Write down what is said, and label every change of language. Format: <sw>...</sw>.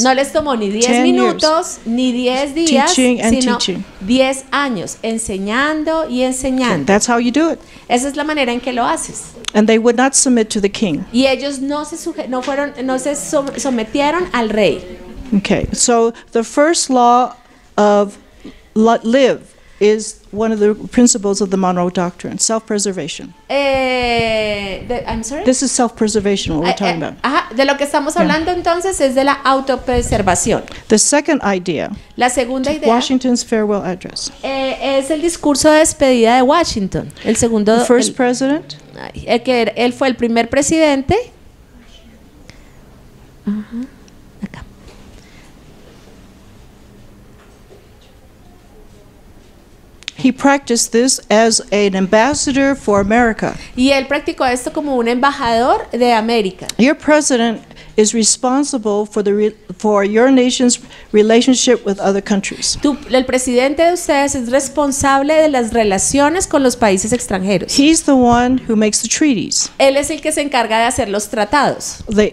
<es>No les tomó ni 10 minutos ni 10 días, sino 10 años enseñando y enseñando.</es> <en>That's how you do it.</en> <es>Esa es la manera en que lo haces.</es> <en>And they would not submit to the king.</en> <es>Y ellos no se sometieron al rey.</es> <en>Okay. So the first law of live is one of the principles of the Monroe Doctrine, self-preservation. I'm sorry. This is self-preservation. What we're talking about.</en> <es>De lo que estamos hablando entonces es de la autopreservación.</es> <en>The second idea.</en> <es>La segunda idea.</es> <en>Washington's farewell address.</en> <es>Es el discurso de despedida de Washington. El segundo.</es> <en>The first president.</en> <es>Que él fue el primer presidente.</es> <en>He practiced this as an ambassador for America.</en> <es>Y él practicó esto como un embajador de América.</es> <en>Your president is responsible for the for your nation's relationship with other countries.</en> <es>El presidente de ustedes es responsable de las relaciones con los países extranjeros.</es> <en>He's the one who makes the treaties.</en> <es>Él es el que se encarga de hacer los tratados.</es>